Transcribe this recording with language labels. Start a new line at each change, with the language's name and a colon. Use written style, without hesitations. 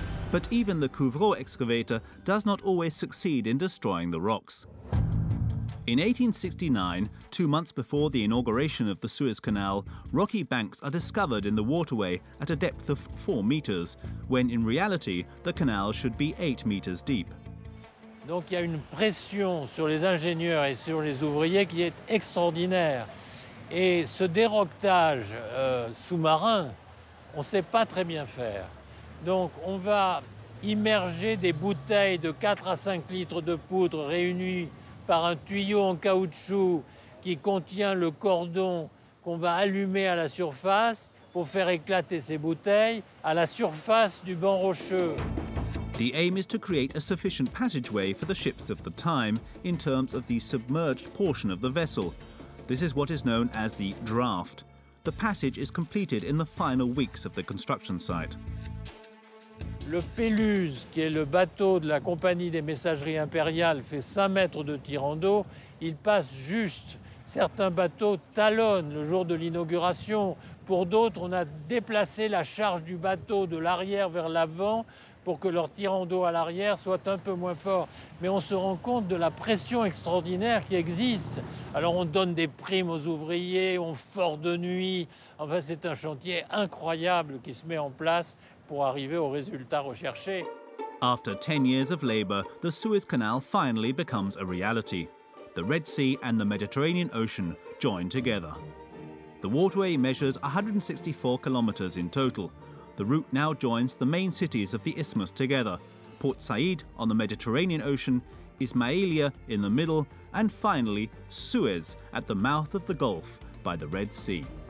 English: But even the couvreux excavator does not always succeed in destroying the rocks. In 1869, 2 months before the inauguration of the Suez Canal, rocky banks are discovered in the waterway at a depth of 4 meters, when in reality, the canal should be 8 meters deep.
French: Donc il y a une pression sur les ingénieurs et sur les ouvriers qui est extraordinaire. Et ce déroquetage sous-marin, on ne sait pas très bien faire. Donc on va immerger des bouteilles de 4 à 5 litres de poudre réunies par un tuyau en caoutchouc qui contient le cordon qu'on va allumer à la surface pour faire éclater ces bouteilles à la surface du banc rocheux.
English: The aim is to create a sufficient passageway for the ships of the time in terms of the submerged portion of the vessel. This is what is known as the draft. The passage is completed in the final weeks of the construction site.
French: Le Péluse, qui est le bateau de la Compagnie des Messageries Impériales, fait 5 mètres de tirant d'eau. Il passe juste. Certains bateaux talonnent le jour de l'inauguration. Pour d'autres, on a déplacé la charge du bateau de l'arrière vers l'avant pour que leur tirant d'eau à l'arrière soit un peu moins fort. Mais on se rend compte de la pression extraordinaire qui existe. Alors on donne des primes aux ouvriers, on fort de nuit. Enfin, c'est un chantier incroyable qui se met en place pour arriver au résultat recherché.
English: After 10 years of labor, the Suez Canal finally becomes a reality. The Red Sea and the Mediterranean Ocean join together. The waterway measures 164 kilometers in total. The route now joins the main cities of the isthmus together. Port Said on the Mediterranean Ocean, Ismailia in the middle, and finally Suez at the mouth of the Gulf by the Red Sea.